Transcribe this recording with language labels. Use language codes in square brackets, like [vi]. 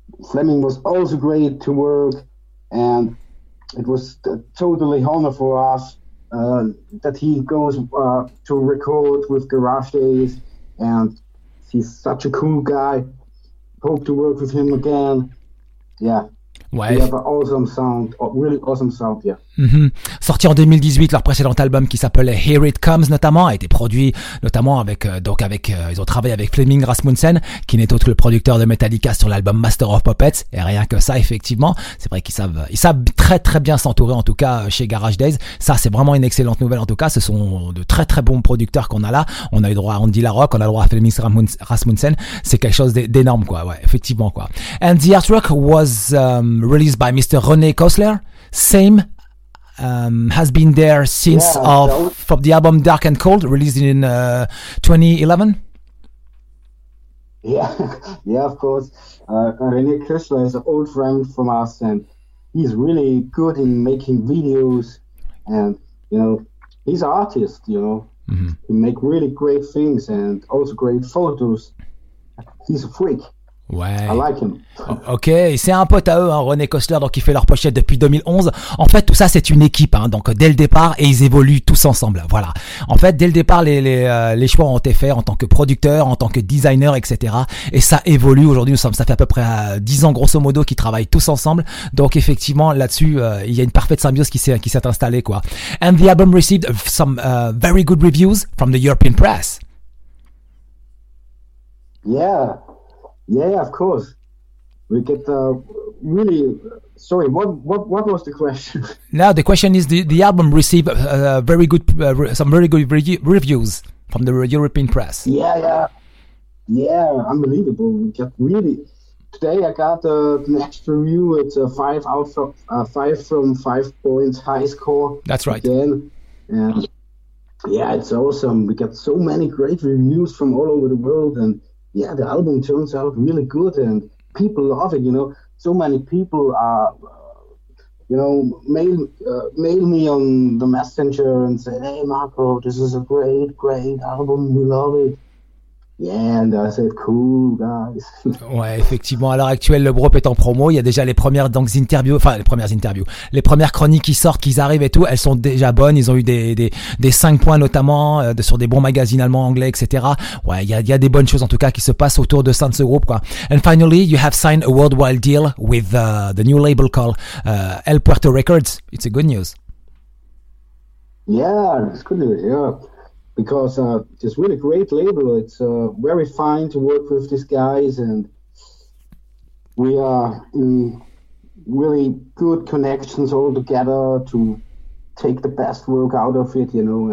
[en] Fleming was also great to work, and it was totally honor for us that he goes to record with Garage Days, and he's such a cool guy. Hope to work with him again. Yeah. Ouais. They have an awesome sound, a really awesome sound, yeah. Mm-hmm. [fr] Sorti en 2018, leur précédent album qui s'appelait Here It Comes notamment a été produit notamment avec ils ont travaillé avec Flemming Rasmussen qui n'est autre que le producteur de Metallica sur l'album Master of Puppets, et rien que ça effectivement, c'est vrai qu'ils savent très très bien s'entourer, en tout cas chez Garage Days. Ça c'est vraiment une excellente nouvelle, en tout cas ce sont de très très bons producteurs qu'on a là. On a eu droit à Andy LaRocque, on a le droit à Flemming Rasmussen, c'est quelque chose d'énorme quoi. Ouais, effectivement quoi. [en] And the artwork was released by Mr. René Kossler, same has been there since from the album Dark and Cold, released in 2011. Yeah, of course. René Kossler is an old friend from us, and he's really good in making videos. And you know, he's an artist. You know, mm-hmm. He make really great things and also great photos. He's a freak. [fr] Ouais. [en] I like him. [fr] Ok, c'est un pote à eux, hein, René Kossler, donc il fait leur pochette depuis 2011. En fait, tout ça, c'est une équipe, hein, donc dès le départ, et ils évoluent tous ensemble. Voilà. En fait, dès le départ, les choix ont été faits en tant que producteur, en tant que designer, etc. Et ça évolue. Aujourd'hui, ça fait à peu près 10 ans, grosso modo, qu'ils travaillent tous ensemble. Donc effectivement, là-dessus, il y a une parfaite symbiose qui s'est installée, quoi. [en] And the album received some very good reviews from the European press. Yeah. Yeah, of course. We get really. Sorry, what was the question? Now the question is: the album received some very good reviews from the European press. Yeah, unbelievable. We get really. Today I got the next review. It's a 5 out of 5 from 5 points high score. That's right. Again, it's awesome. We got so many great reviews from all over the world and. Yeah, the album turns out really good and people love it, you know. So many people are, mail me on the messenger and say, hey, Marco, this is a great, great album. We love it. Yeah, and I said cool guys. [fr] Ouais, effectivement, à l'heure actuelle, le groupe est en promo. Il y a déjà les premières premières chroniques qui sortent, qui arrivent et tout. Elles sont déjà bonnes. Ils ont eu des 5 points notamment sur des bons magazines allemands, anglais, etc. Ouais, il y a des bonnes choses en tout cas qui se passent autour de ça, de ce groupe quoi. [en] And finally, you have signed a worldwide deal with the new label called El Puerto Records. It's a good news. Yeah, it's good news. Yeah. Because it's really great label. It's very fine to work with these guys, and we are in really good connections all together to take the best work out of it, you know.